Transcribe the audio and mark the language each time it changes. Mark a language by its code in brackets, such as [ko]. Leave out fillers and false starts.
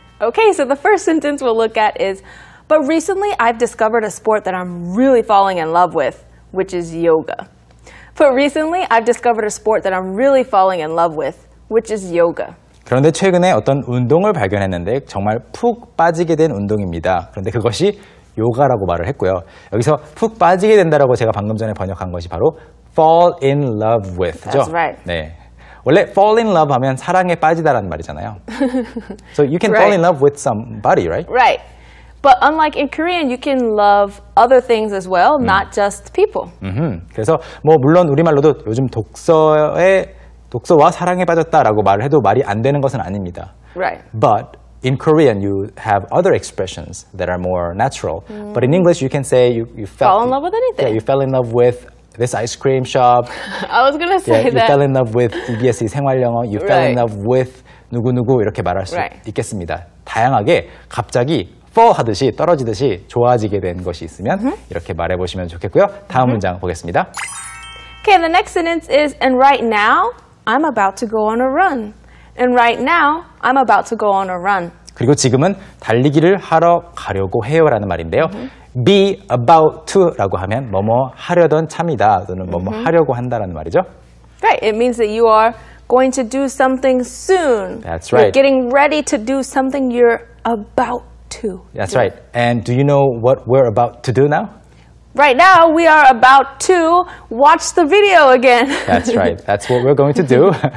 [en] Okay, so the first sentence we'll look at is, but recently I've discovered a sport that I'm really falling in love with, which is yoga. But recently, I've discovered a sport that I'm really falling in love with, which is yoga. [ko] 그런데 최근에 어떤 운동을 발견했는데 정말 푹 빠지게 된 운동입니다. 그런데 그것이 요가라고 말을 했고요. 여기서 푹 빠지게 된다라고 제가 방금 전에 번역한 것이 바로 fall in love with죠. [en] That's right. [ko] 네. 원래 fall in love 하면 사랑에 빠지다라는 말이잖아요. [en] So you can right. fall in love with somebody, right? Right. But unlike in Korean, you can love other things as well, not just people. Mm-hmm. [ko] 그래서 뭐 물론 우리말로도 요즘 독서에 독서와 사랑에 빠졌다라고 말을 해도 말이 안 되는 것은 아닙니다. [en] Right. But in Korean, you have other expressions that are more natural. Mm-hmm. But in English, you can say you fell in love with anything. Yeah, you fell in love with this ice cream shop. I was gonna say yeah, that. You fell in love with EBSe 생활영어. You right. fell in love with [ko] 누구누구 이렇게 말할 수 [en] right. [ko] 있겠습니다. 다양하게 갑자기 fall 하듯이 떨어지듯이 좋아지게 된 것이 있으면 mm-hmm. 이렇게 말해보시면 좋겠고요. 다음 mm-hmm. 문장 보겠습니다. [en] Okay, the next sentence is, and right now, I'm about to go on a run. And right now, I'm about to go on a run. [ko] 그리고 지금은 달리기를 하러 가려고 해요 라는 말인데요. Mm-hmm. be about to 라고 하면 뭐뭐 하려던 참이다 또는 뭐뭐 mm-hmm. 하려고 한다라는 말이죠. [en] Right, it means that you are going to do something soon. That's right. You're getting ready to do something you're about to. That's right. And do you know what we're about to do now? Right now, we are about to watch the video again. That's right. That's what we're going to do.